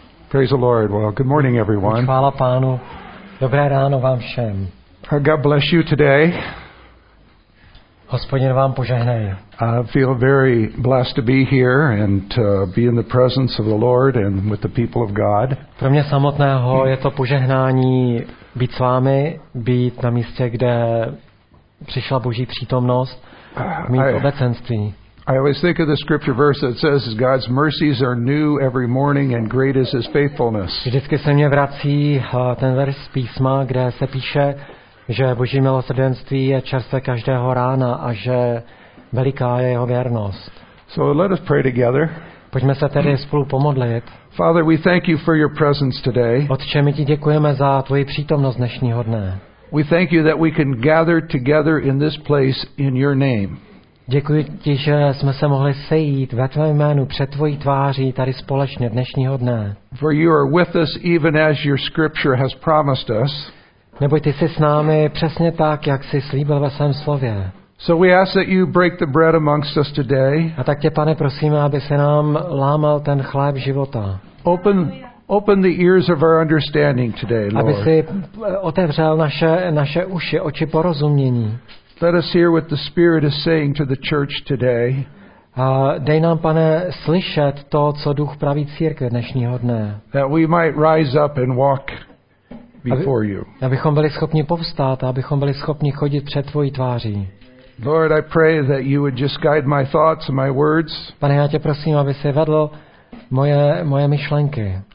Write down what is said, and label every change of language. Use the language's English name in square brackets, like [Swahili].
[English] Praise the Lord. Well, good morning everyone. [Czech] Dobré ráno vám všem. [English] God bless you today. [Czech] Hospodin vám požehnej. [English] I feel very blessed to be here and to be in the presence of the Lord and with the people of God. [Czech] Pro mě samotného je to požehnání být s vámi, být na místě, kde přišla Boží přítomnost, mít obecenství. [English] I always think of the scripture verse that says God's mercies are new every morning and great is his faithfulness. [Czech] Vždycky se mě vrací ten verš písma, kde se píše, že Boží milosrdenství je čerstvé každého rána a že veliká je jeho věrnost. [English] So let us pray together. [Czech] Pojďme se tedy spolu pomodlit. [English] Father, we thank you for your presence today. [Czech] Otče, my ti děkujeme za tvoji přítomnost dnešního dne. [English] We thank you that we can gather together in this place in your name. [Czech] Děkuji ti, že jsme se mohli sejít ve tvém jménu před tvojí tváří tady společně dnešního dne. [English] For you are with us even as your scripture has promised us. [Czech] Nebo ty jsi s námi přesně tak, jak jsi slíbil ve svém slově. [English] So we ask that you break the bread amongst us today. [Czech] A tak tě, Pane, prosíme, aby se nám lámal ten chléb života. [English] Open the ears of our understanding today, Lord. [Czech] Aby jsi otevřel naše uši, oči porozumění. [English] Let us hear what the Spirit is saying to the church today. [Czech] Dej nám, Pane, slyšet to, co Duch praví církvi dnešního dne. [English] That we might rise up and walk before you. [Czech] Abychom byli schopni povstát, abychom byli schopni chodit před tvojí tváří. [English] Lord, I pray that you would just guide my thoughts and my words. [Czech] Pane, já tě prosím, aby jsi vedl moje myšlenky.